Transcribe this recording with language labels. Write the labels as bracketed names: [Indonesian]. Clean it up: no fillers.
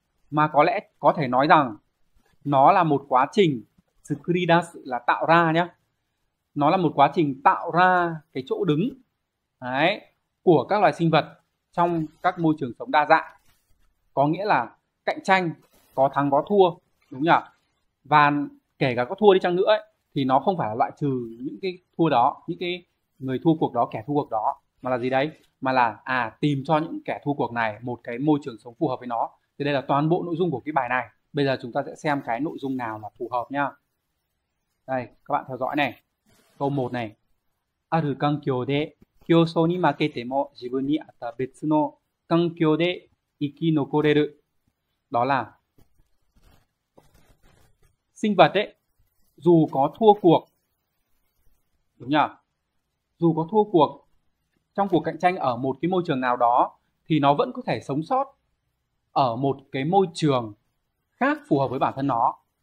[Vietnamese] mà có lẽ có thể nói rằng nó là một quá trình Skridas là tạo ra nhé, nó là một quá trình tạo ra cái chỗ đứng đấy của các loài sinh vật trong các môi trường sống đa dạng, có nghĩa là cạnh tranh có thắng có thua đúng nhỉ, và kể cả có thua đi chăng nữa ấy, thì nó không phải là loại trừ những cái thua đó, những cái người thua cuộc đó, kẻ thua cuộc đó, mà là gì đấy, mà là tìm cho những kẻ thua cuộc này một cái môi trường sống phù hợp với nó. Thì đây là toàn bộ nội dung của cái bài này. Bây giờ chúng ta sẽ xem cái nội dung nào là phù hợp nhá. Đây, các bạn theo dõi này. Câu 1 này. [Japanese] ある環境で競争に負けても自分に合った別の環境で生き残れる。 [Vietnamese] Đó là sinh vật ấy dù có thua cuộc, đúng nhỉ? Dù có thua cuộc trong cuộc cạnh tranh ở một cái môi trường nào đó thì nó vẫn có thể sống sót ở một cái môi trường khác phù hợp với bản thân nó.